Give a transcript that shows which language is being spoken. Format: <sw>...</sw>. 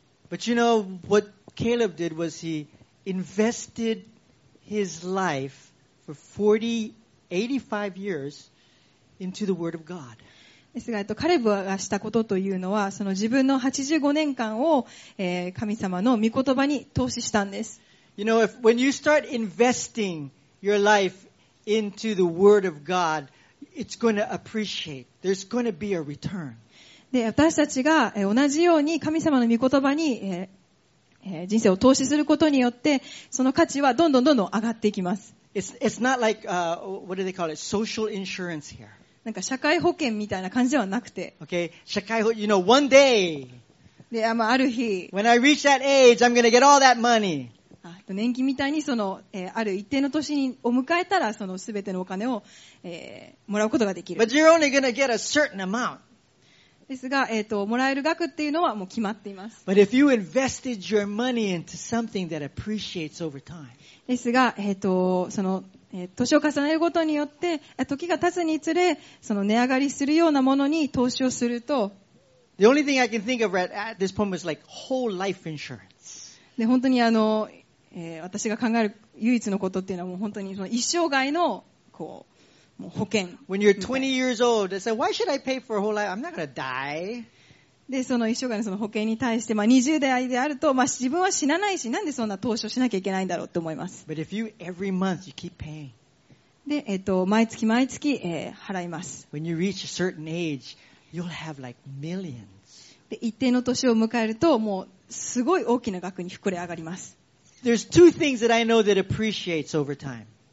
<en>But you know what Caleb did was he invested his life for 85 years into the Word of God.</en> <ja>ですが、カレブがしたことというのは、その自分の85年間を、神様の御言葉に投資したんです。</ja> <en>You know, when you start investing your life into the Word of God, it's going to appreciate. There's going to be a return.</en> <ja>で、私たちが同じように神様の御言葉に人生を投資することによって、その価値はどんどんどんどん上がっていきます。</ja> <en>It's not like, what do they call it? Social insurance here.</en> <ja>なんか社会保険みたいな感じではなくて。</ja> <en>Okay.</en> <ja>社会保、</ja> <en>you know, one day.</en> <ja>で、まあ、ある日。</ja> <en>When I reach that age, I'm gonna get all that money.</en> <ja>年金みたいにその、ある一定の年を迎えたら、その全てのお金を、もらうことができる。</ja> <en>But you're only gonna get a certain amount.</en> <ja>ですが、もらえる額っていうのはもう決まっています。</ja> <en>But if you invested your money into something that appreciates over time.</en> <ja>ですが、その、年を重ねることによって、時が経つにつれ、その値上がりするようなものに投資をすると。</ja> <en>The only thing I can think of at this point was like whole life insurance.</en> <ja>で、本当に私が考える唯一のことっていうのはもう本当にその一生涯の、こう、保険。</ja> <en>When you're 20 years old, they say, why should I pay for a whole life? I'm not gonna die.</en> <ja>で、その一生涯のその保険に対して、まあ、20代であると、まあ、自分は死なないし、なんでそんな投資をしなきゃいけないんだろうって思います。</ja> <en>But if you, every month, you keep paying.</en> <ja>で、毎月毎月、払います。</ja> <en>When you reach a certain age, you'll have like millions.</en> <ja>で、一定の年を迎えると、もう、すごい大きな額に膨れ上がります。</ja> <en>There's two things that I know that appreciates over time.</en>